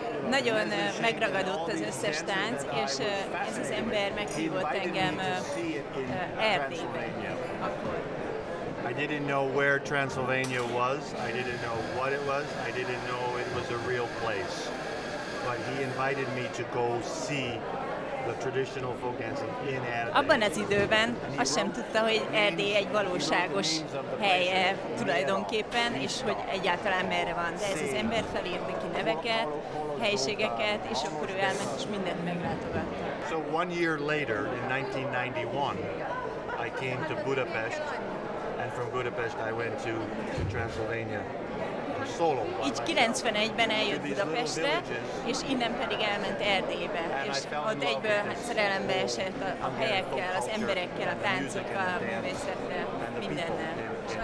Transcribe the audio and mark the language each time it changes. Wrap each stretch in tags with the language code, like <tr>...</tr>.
<hu>Nagyon megragadott az összes tánc, és ez az ember meghívott engem Erdélyben.</hu> <en>I didn't know where Transylvania was. I didn't know what it was. I didn't know it was a real place. But he invited me to go see the traditional folk dancing in Erdély.</en> <hu>Abban az időben azt sem tudta, hogy Erdély egy valóságos helye tulajdonképpen, és hogy egyáltalán merre van. De ez az ember felírt neki neveket, helységeket, és akkor ő elment, és mindent meglátogatta.</hu> <en>So one year later, in 1991, I came to Budapest. And from Budapest I went to Transylvania solo.</en> <hu>Így 91-ben eljött Budapestre, és innen pedig elment Erdélybe, és ott egyből szerelembe esett a helyekkel, az emberekkel, a táncokkal, a művészettel, mindennel.</hu>